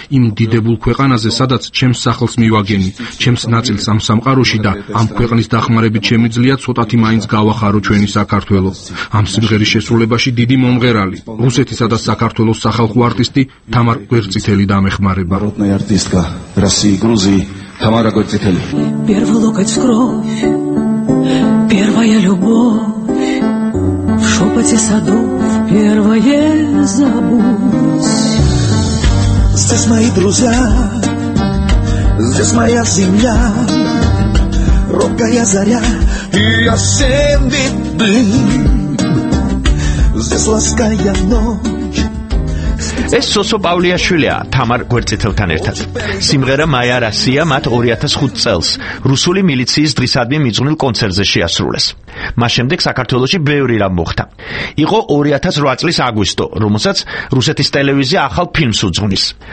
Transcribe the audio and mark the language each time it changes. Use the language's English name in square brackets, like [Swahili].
[Georgian] იმ დიდებულ ქვეყანაზე, სადაც ჩემს სახელს მივაგენი, ჩემს ნაწილს ამ სამყაროში და ამ ქვეყნის დახმარებით შემიძლია ცოტათი მაინც გავახარო ჩვენი საქართველო. ამ სიმღერის შესრულებაში დიდი მომღერალი, რუსეთისა და საქართველოს სახალხო არტისტი თამარ გვერციტელი დამეხმარება. [Russian] Шепоте садов первое забудь. Здесь мои друзья, здесь моя земля, робкая заря и осенний дым. Здесь лаская ночь. [Georgian] ეს სოსო პავლიაშვილია თამარ გვერციტელთან ერთად. სიმღერა მაიარასია მათ 2005 წელს რუსული მილიციის დღისადმი მიძღვნილ კონცერტზე შეასრულეს. მას შემდეგ საქართველოში ბევრი რამ მოხდა. იყო 2008 წლის აგვისტო, რომელსაც რუსეთის ტელევიზია ახალ ფილმს უძღვნის.